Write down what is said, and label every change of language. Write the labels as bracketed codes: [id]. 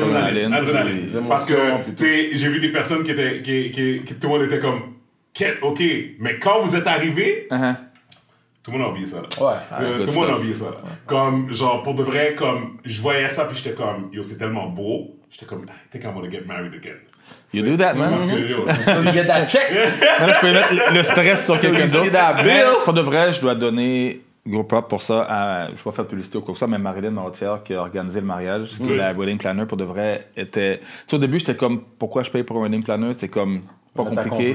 [fr] adrénaline. Adrénaline. Parce que, tu sais, j'ai vu des personnes qui étaient. Qui tout le monde était comme. Ok, mais quand vous êtes arrivé. Tout le monde a oublié ça. Là. Tout le monde a oublié ça. Là. Ouais. Comme, genre, pour de vrai, comme, je voyais ça, puis j'étais comme, yo, c'est tellement beau. J'étais comme, [en] I think I'm gonna get married again. You do that, man. [fr] Parce que, yo, [en] you get that check. [fr] Non, là, je peux mettre le stress sur quelqu'un d'autre. [en] That bill. [fr] Pour de vrai, je dois donner. Gros prop pour ça, à, je vais pas faire de publicité ou quoi que ça, mais Marilyn Mortier qui a organisé le mariage, qui est la wedding planner pour de vrai, était. Tu sais, au début, j'étais comme, pourquoi je paye pour un wedding planner? C'est comme, pas mais compliqué.